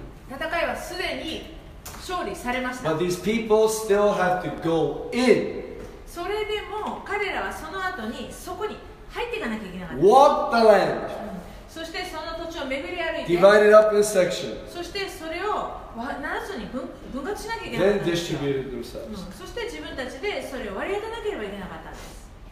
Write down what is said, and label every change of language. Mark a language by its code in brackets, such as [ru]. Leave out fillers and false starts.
[ja] 戦いはすでに勝利されました。 [en] But these people still have to go in. [ja] それでも彼らはその後にそこに入っていかなきゃいけなかった。 [en] Walk the land. [ja] そしてその土地を巡り歩いて [en] Divided up in section. [ja] そしてそれを 7つに 分割しなきゃいけなかったんですよ。 [en] Then distributed themselves.、 [ja] うん、そして自分たちでそれを割り当てなければいけなかったんです。